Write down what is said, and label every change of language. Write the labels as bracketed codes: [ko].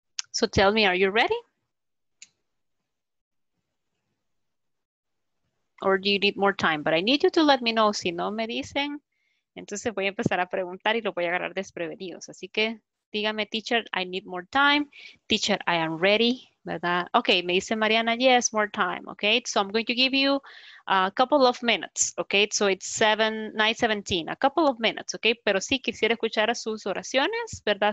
[en] So tell me, are you ready? Or do you need more time? But I need you to let me know. [es] Si no me dicen, entonces voy a empezar a preguntar y lo voy a agarrar desprevenidos. Así que dígame, [en] teacher, I need more time. Teacher, I am ready, ¿verdad? Okay, [es] me dice [en] Mariana, yes, more time, okay? So I'm going to give you a couple of minutes, okay? So it's 9:17, a couple of minutes, okay? [es] Pero sí quisiera escuchar a sus oraciones, ¿verdad?